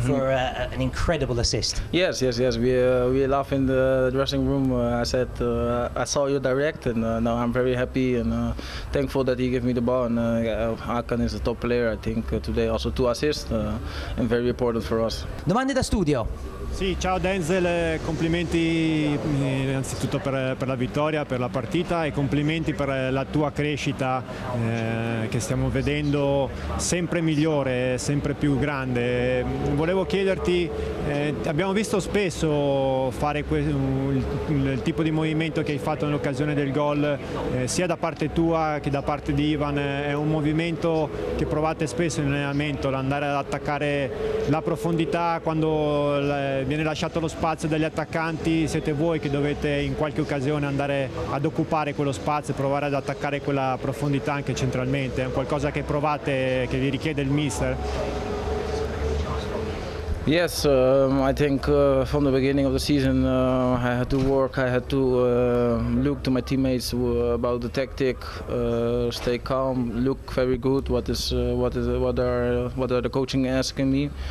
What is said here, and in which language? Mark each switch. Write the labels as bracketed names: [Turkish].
[English] for an incredible assist. Yes. We laugh in the dressing room. I said I saw you direct, and now I'm very happy and thankful that he gave me the ball. And Hakan is a top player. I think today also 2 assists and very important for us. [Italian] Domande da studio. Sì, ciao Denzel, complimenti innanzitutto per la vittoria, per la partita e complimenti per la tua crescita che stiamo vedendo sempre migliore, sempre più grande. Volevo chiederti, abbiamo visto spesso fare il tipo di movimento che hai fatto nell'occasione del gol, sia da parte tua che da parte di Ivan, è un movimento che provate spesso in allenamento, l'andare ad attaccare la profondità quando viene lasciato lo spazio dagli attaccanti, siete voi che dovete in qualche occasione andare ad occupare quello spazio e provare ad attaccare quella profondità anche centralmente, è qualcosa che provate, che vi richiede il mister? [English] Yes, I think from the beginning of the season, I had to work, I had to look to my teammates about the tactic, stay calm, look very good, what are the coaching asking me.